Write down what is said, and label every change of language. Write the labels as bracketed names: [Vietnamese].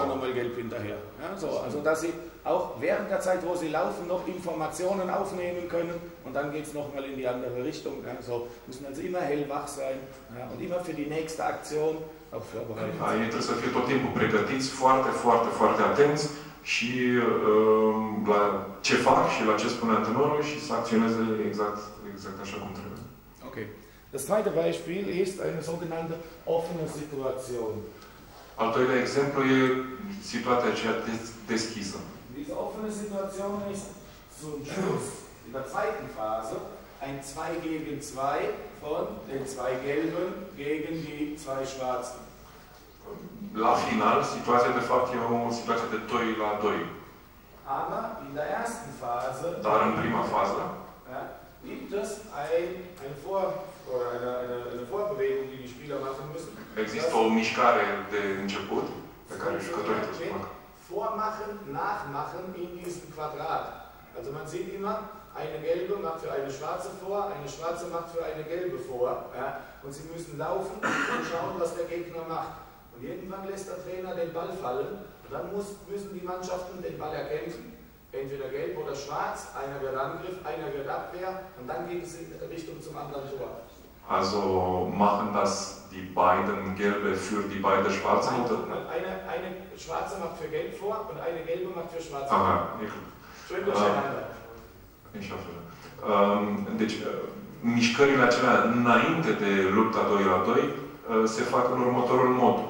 [German] Und dann nochmal gelb hinterher. Also, dass sie auch während der Zeit, wo sie laufen, noch Informationen aufnehmen können und dann geht es nochmal in die andere Richtung. Also, müssen also immer hellwach sein und immer für die nächste Aktion auch vorbereitet sein. [Romanian] Ei trebuie să fie tot timpul pregătiți, foarte, foarte, foarte atenți și la ce fac și la ce spune antrenorul și să acționeze exact așa cum trebuie. Okay. [German] Das zweite Beispiel ist eine sogenannte offene Situation. [Romanian] Al doilea exemplu e situația aceea deschisă. [German] Diese offene Situation ist zum Schluss, in der zweiten Phase, ein 2 gegen 2 von den 2 Gelben gegen die 2 Schwarzen. [Romanian] La final, situația de fapt e o situație de 2 la 2. [German] Aber in der ersten Phase, [Romanian] dar în prima fază, [German] gibt es eine Vorbewegung, die die Spieler machen müssen. [Romanian] Există o mișcare de început pe care jucătorii trebuie să facă. [German] Vormachen, nachmachen in diesem Quadrat. Also man sieht immer, eine Gelbe macht für eine Schwarze macht für eine Gelbe vor. Ja? Und sie müssen laufen und schauen, was der Gegner macht. Und irgendwann lässt der Trainer den Ball fallen. Und dann müssen die Mannschaften den Ball erkämpfen. Entweder gelb oder schwarz. Einer wird Angriff, einer wird Abwehr. Und dann geht es in Richtung zum anderen Tor. Also machen das die beiden Gelbe für die beiden Schwarzen? Eine Schwarze macht für Gelb vor und eine Gelbe macht für Schwarz vor. Aha, schön durcheinander. Ich hoffe. [Romanian] Deci, mișcările acelea înainte de lupta 2 la 2 se fac în următorul mod.